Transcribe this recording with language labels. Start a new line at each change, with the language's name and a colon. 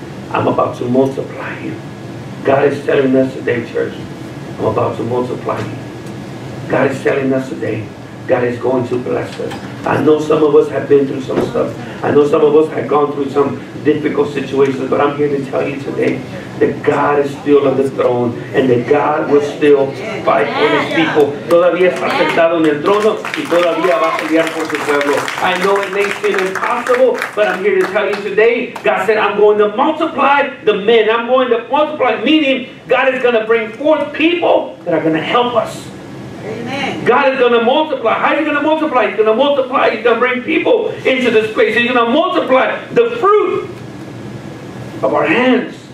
English: I'm about to multiply you. God is telling us today, church, I'm about to multiply you. God is telling us today, God is going to bless us. I know some of us have been through some stuff. I know some of us have gone through some difficult situations, but I'm here to tell you today that God is still on the throne and that God will still fight for his people.
Spanish: Todavía está sentado en el trono y todavía va a pelear por su pueblo.
English: I know it may seem impossible, but I'm here to tell you today, God said, I'm going to multiply the men. I'm going to multiply, meaning God is going to bring forth people that are going to help us. Amen. God is going to multiply. How are you going to multiply? He's going to multiply. He's going to bring people into this place. He's going to multiply the fruit of our hands.